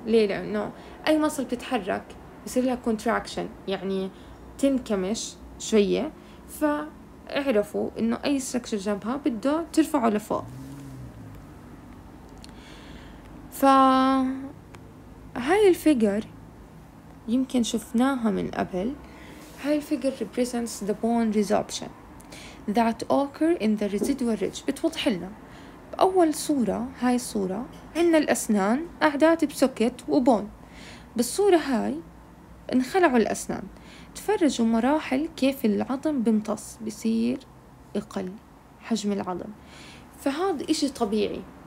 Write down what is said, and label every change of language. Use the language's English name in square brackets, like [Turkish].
[Arabic] ليه؟ لأنه أي مصل بتتحرك بصير لها contraction يعني تنكمش شوية فاعرفوا إنه أي structure جنبها بده ترفعه لفوق. فهاي الفيجر يمكن شفناها من قبل. هاي الفيجر [English] represents the bone resorption that occur in the residual ridge. [Arabic] بتوضح لنا بأول صورة هاي الصورة عنا الأسنان قعدات بسوكت وبون. بالصورة هاي انخلعوا الأسنان تفرجوا مراحل كيف العظم بمتص بصير يقل حجم العظم فهذا إشي طبيعي.